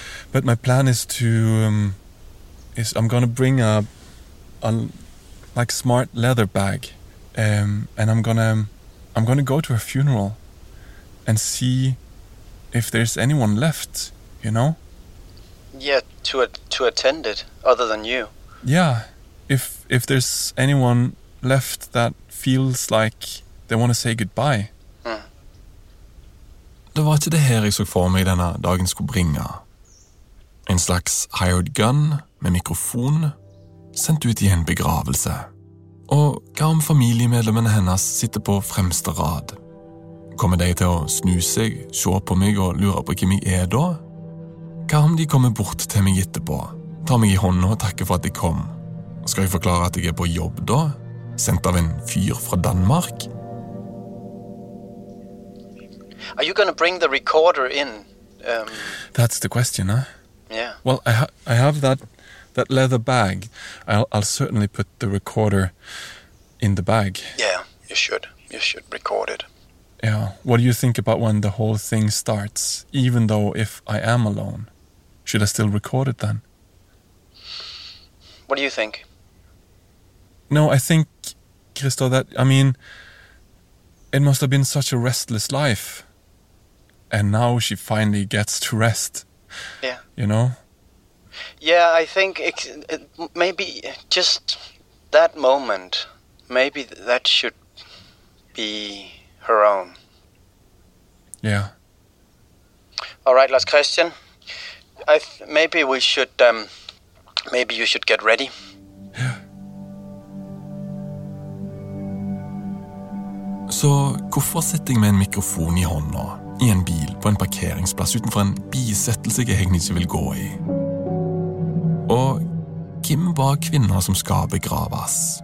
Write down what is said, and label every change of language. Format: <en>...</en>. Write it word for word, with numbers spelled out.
<en>But my plan is to, um, is I'm gonna bring a, a like smart leather bag, um, and I'm gonna, I'm gonna go to her funeral, and see if there's anyone left, you know. Yeah, to a, to attend it, other than you. Yeah, if if there's anyone left that feels like they want to say goodbye. Mm.</en> <no>Det var ikke det her jeg så for meg denne dagen skulle bringe. En slags</no> <en>hired gun</en> <no>med mikrofon, sendt ut i en begravelse. Og hva om familiemedlemmene hennes sitter på fremste rad? Kommer de til å snu seg, se på meg og lure på hvem jeg er da? Hva om de kommer bort til meg etterpå, tar meg i hånden og takker for at de kom? Skal jeg forklare at jeg er på jobb da? Sendt av en fyr fra Danmark?</no> <en>Are you going to bring the recorder in? Um... That's the question, huh? Yeah. Well, I, ha- I have that, that leather bag. I'll, I'll certainly put the recorder in the bag. Yeah, you should. You should record it. Yeah. What do you think about when the whole thing starts? Even though if I am alone, should I still record it then? What do you think? No, I think, Christo, that, I mean, it must have been such a restless life. And now she finally gets to rest. Yeah. You know? Yeah, I think it, it, maybe just that moment, maybe that should be her own. Yeah. All right, Lars Christian. I th- maybe we should, um, maybe you should get ready. Yeah.</en> <no>Så hvorfor sitter jeg med en mikrofon i hånda, i en bil på en parkeringsplass utenfor en bisettelse jeg egentlig ikke vil gå i? Og hvem var kvinner som skal begraves?</no>